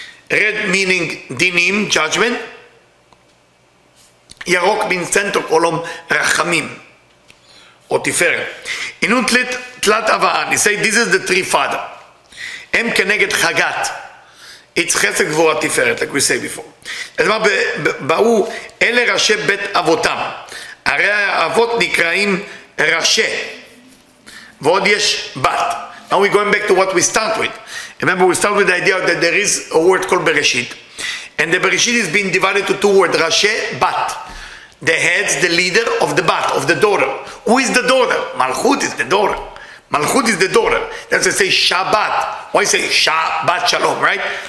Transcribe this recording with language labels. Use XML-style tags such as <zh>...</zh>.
<en>Red meaning dinim, judgment. Yarok means center column, rachamim. Otifer.</en> <he>Inun tlat avaan.</he> <en>He say this is the three father.</en> <he>Em keneged chagat.</he> <en>It's chesed gvura tiferet, like we say before.</en> <he>אז מה באו אלה ראשי בית אבותם, הרי האבות נקראים ראשי, ועוד יש בת.</he> <en>Now we're going back to what we start with. Remember, we start with the idea that there is a word called Bereshit, and the Bereshit is being divided to two words, ראשי, בת. The heads, the leader of the bat, of the daughter. Who is the daughter? מלכות is the daughter. מלכות is the daughter. That's why I say Shabbat. Why say Shabbat Shalom, right?</en>